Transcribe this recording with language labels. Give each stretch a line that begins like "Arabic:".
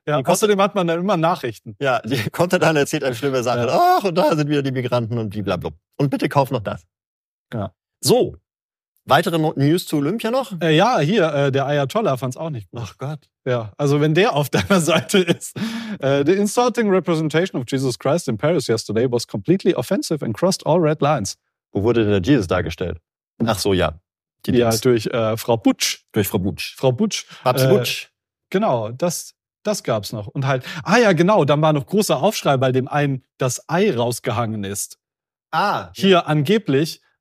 German: Außerdem hat man dann immer Nachrichten. Ja, die kommt dann erzählt eine schlimme Sache. Ja. Ach, und da sind wieder die Migranten und blablabla. Und bitte kauf noch das. Ja. So, Weitere News zu Olympia noch? Ja, hier, der Ayatollah fand es auch nicht gut. Ach Gott. Ja, also wenn der auf deiner Seite ist.
English: The insulting representation of Jesus Christ in Paris yesterday was completely offensive and crossed all red lines.
German: Wo wurde denn der Jesus dargestellt? Ach so, ja. Die ja, Dings. Durch Frau Butsch. Durch Frau Butsch. Frau Butsch. Babs Butsch. Genau, das gab es noch. Und halt, ah ja, genau, dann war noch großer Aufschrei, weil dem einen das Ei rausgehangen ist. Ah. Hier ja. Angeblich...